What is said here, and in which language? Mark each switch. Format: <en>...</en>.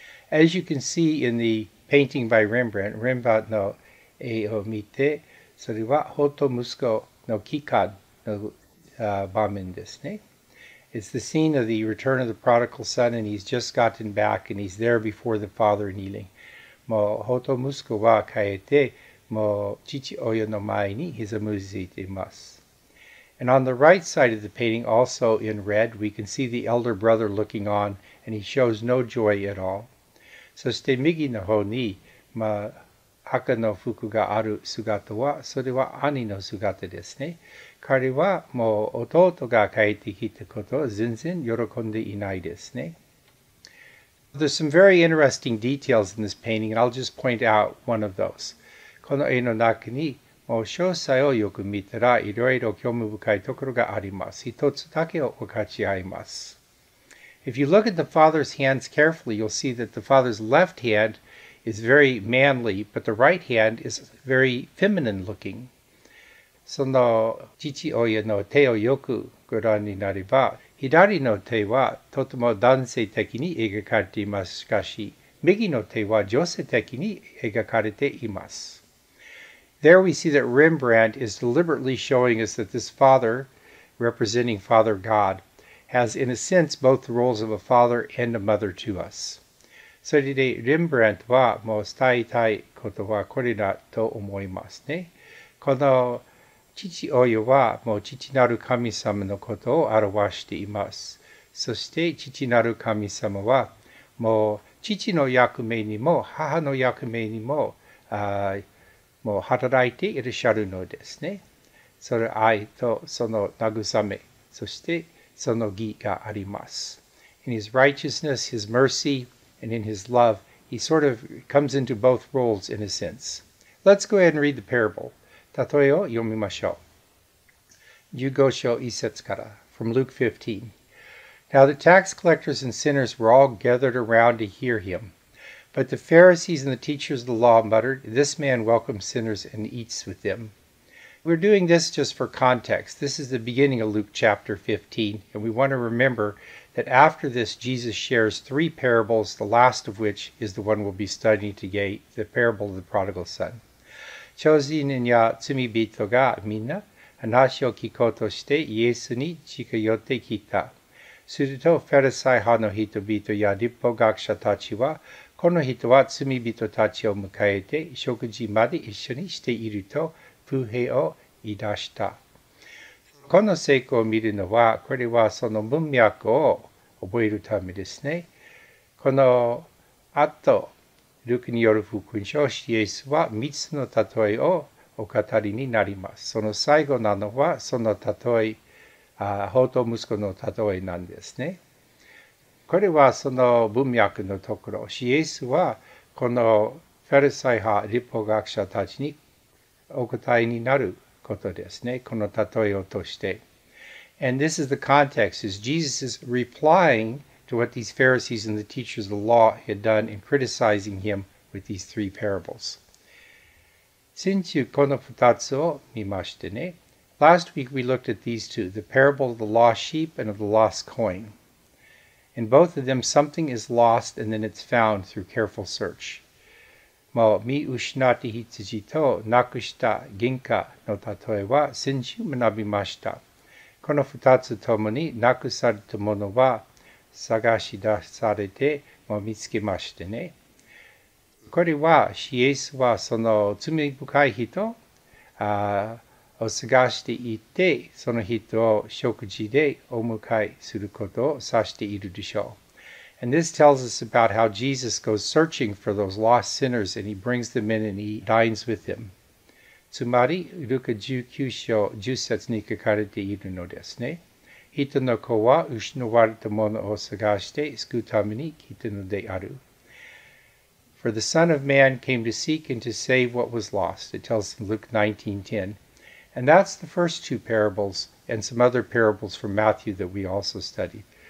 <en>As you can see in the painting by Rembrandt,</en> <ja>Rembrandt の絵を見て、それは放蕩息子の帰還の場面ですね。</ja> <en>It's the scene of the return of the prodigal son, and he's just gotten back, and he's there before the father kneeling.</en> <ja>もう放蕩息子は帰って、もう父親の前にひざまずいています。</ja> <en>And on the right side of the painting, also in red, we can see the elder brother looking on, and he shows no joy at all.</en> <ja>そして右の方に、まあ赤の服がある姿は、それは兄の姿ですね。彼はもう弟が帰ってきたことを全然喜んでいないですね。</ja> <en>There's some very interesting details in this painting, and I'll just point out one of those.</en> <ja>この絵の中に、もう詳細をよく見たら、いろいろ興味深いところがあります。一つだけを分かち合います。</ja> <en>If you look at the father's hands carefully, you'll see that the father's left hand is very manly, but the right hand is very feminine looking.</en> <ja>その父親の手をよくご覧になれば、左の手はとても男性的に描かれています。しかし、右の手は女性的に描かれています。</ja> <en>There we see that Rembrandt is deliberately showing us that this father, representing Father God, has in a sense both the roles of a father and a mother to us.</en> <ja>それで、レンブラントはもう伝えたいことはこれだと思いますね。この父親はもう父なる神様のことを表しています。そして父なる神様はもう父の役目にも母の役目にも、もう働いていらっしゃるのですね。それ愛とその慰め、そしてその義があります。</ja> <en>In his righteousness, his mercy,and in his love, he sort of comes into both roles in a sense. Let's go ahead and read the parable.</en> <ja>たとえを読みましょう。 15章1節から</ja> <en>from Luke 15. Now the tax collectors and sinners were all gathered around to hear him. But the Pharisees and the teachers of the law muttered, "This man welcomes sinners and eats with them." We're doing this just for context. This is the beginning of Luke chapter 15, and we want to rememberthat after this, Jesus shares three parables, the last of which is the one we'll be studying today, the parable of the prodigal son.</en> <ja>超人や罪人がみんな話を聞こうとしてイエスに近寄ってきた。すると、ファリサイ派の人々や律法学者たちは、この人は罪人たちを迎えて食事まで一緒にしていると不平を言い出した。この成功を見るのは、これはその文脈を覚えるためですね。この後、ルクによる福音書、イエスは3つの例えをお語りになります。その最後なのは、その例え、放蕩息子の例えなんですね。これはその文脈のところ、イエスはこのファリサイ派、律法学者たちにお答えになる。ことですね、この例えを通して。</ja> <en>And this is the context, is Jesus is replying to what these Pharisees and the teachers of the law had done in criticizing him with these three parables.</en> <ja>先週この2つを見ましてね。</ja> <en>Last week we looked at these two, the parable of the lost sheep and of the lost coin. In both of them, something is lost and then it's found through careful search.</en> <ja>もう見失った羊となくした銀貨の例えは先週学びました。この2つともになくされたものは探し出されてもう見つけましてね。これはイエスはその罪深い人を探していってその人を食事でお迎えすることを指しているでしょう。</ja> <en>And this tells us about how Jesus goes searching for those lost sinners and he brings them in and he dines with them.</en> <ja>つまり、ルカ19章10節に書かれているのですね。人の子は失われたものを探して救うために来たのである。</ja> <en>For For the Son of Man came to seek and to save what was lost, it tells in Luke 19:10. And that's the first two parables and some other parables from Matthew that we also study.</en>